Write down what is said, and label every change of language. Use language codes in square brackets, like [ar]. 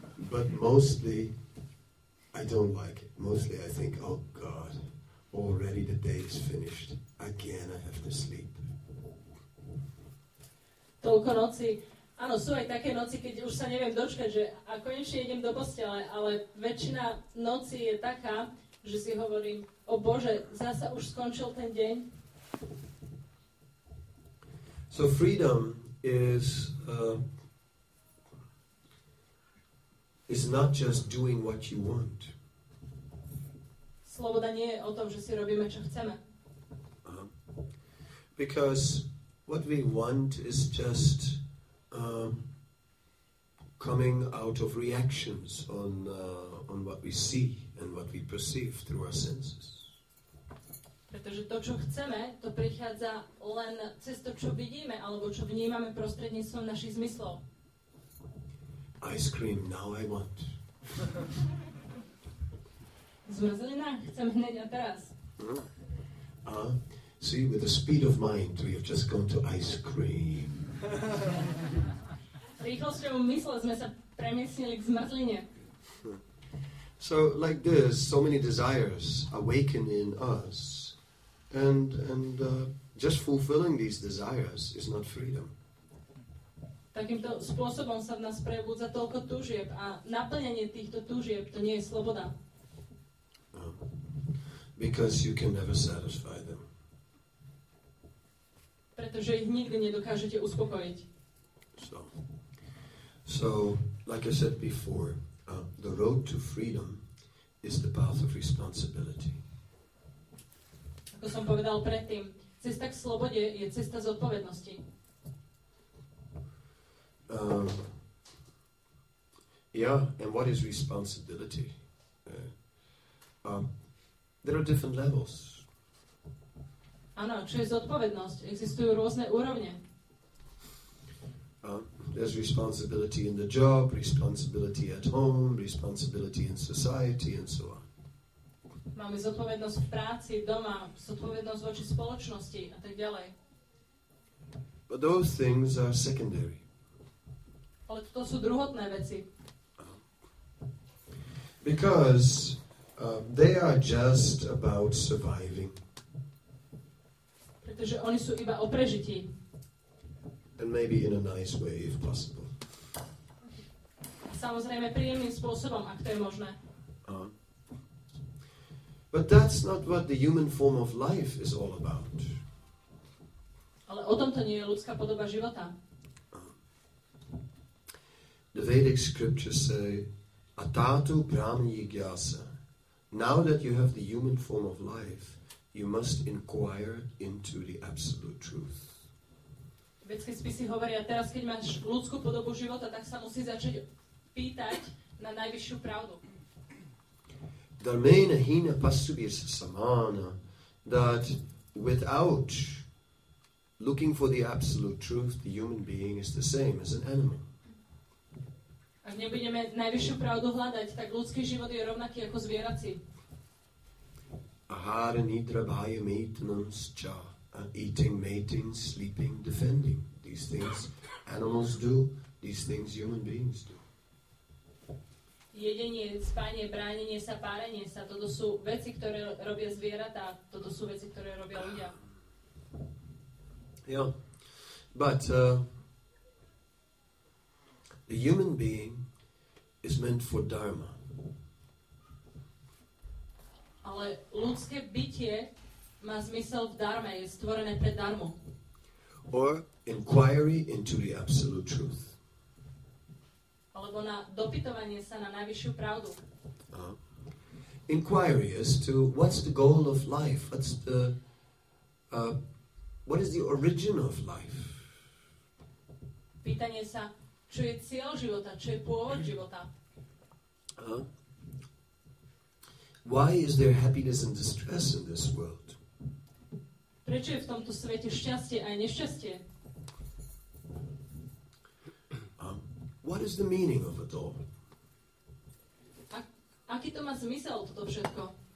[en] But mostly I don't like it. Mostly I think, oh God, already the day is finished. Again I have to sleep. [sk] Toľko noci. Áno, sú aj také noci, keď už sa neviem dočkať, že a konečne idem do postele, ale väčšina noci je taká, že si hovorím, o Bože, zasa už skončil ten deň. [en] So freedom is is not just doing what you want. [sk] Sloboda nie je o tom, že si robíme, čo chceme. [en] Because what we want is just coming out of reactions on what we see and what we perceive through our senses. [sk] Pretože to, čo chceme, to prichádza len cez to, čo vidíme alebo čo vnímame prostredníctvom našich zmyslov. [en] Ice cream, now I want. [sk] Zmrzlina, chcem hneď a teraz. [en] See, with the speed of mind, we have just gone to ice cream. [sk] Rýchlosťou mysle sme sa premiesnili k zmrzline. [en] So, like this, so many desires awaken in us. And just fulfilling these desires is not freedom. [sk] Takýmto spôsobom sa v nás prebudza toľko túžieb a naplnenie týchto túžieb, to nie je sloboda. [en] Because you can never satisfy them. [sk] Preto- pretože ich nikdy nedokážete uspokojiť. [en] So like I said before, the road to freedom is the path of responsibility. [sk] Ako som povedal predtým, cesta k slobode je cesta zodpovednosti. [en] And what is responsibility? There are different levels. [sk] Áno, čo je zodpovednosť? Existujú rôzne úrovne. [en] There's responsibility in the job, responsibility at home, responsibility in society, and so on. [sk] Máme zodpovednosť v práci, doma, zodpovednosť voči spoločnosti a tak ďalej. [en] But those things are secondary. [sk] Ale to sú druhotné veci. [en] Because they are just about surviving. [sk] Pretože oni sú iba o prežití. [en] And maybe in a nice way, if possible. [sk] Samozrejme, príjemným spôsobom, ak to je možné. [en] But that's not what the human form of life is all about. [sk] Ale o tom to nie je ľudská podoba života. [en] The Vedic scriptures say, [sa] Atatu Brahmi Gyasa. [en] Now that you have the human form of life, you must inquire into the absolute truth. [sk] Vedské spisy hovoria, teraz keď máš ľudskú podobu života, tak sa musí začať pýtať na najvyššiu pravdu. [sa] Dharmena hina pasubir samana, [en] that without looking for the absolute truth, the human being is the same as an animal. [sk] Ak nebudeme najvyššiu pravdu hľadať, tak ľudský život je rovnaký ako zvierací. [sa] Ahara nidra bhaya maitanas cha. [en] Eating, mating, sleeping, defending. These things animals do, these things human beings do. [sk] Jedenie, spanie, bránenie sa, párenie sa, toto sú veci, ktoré robia zvieratá, toto sú veci, ktoré robia ľudia. [en] Yeah. But the human being is meant for dharma. [sk] Ale ľudské bytie má zmysel v darme, je stvorené pre darmo. [en] Or inquiry into the absolute truth. [sk] Alebo na dopytovanie sa na najvyššiu pravdu. [en] Inquiry as to what's the goal of life? What's the what is the origin of life? [sk] Pýtanie sa, čo je cieľ života, čo je pôvod života. [en] Why is there happiness and distress in this world? [sk] Prečo je v tomto svete šťastie aj nešťastie? [en] What is the meaning of it all? [sk] Aký to má zmysel toto všetko?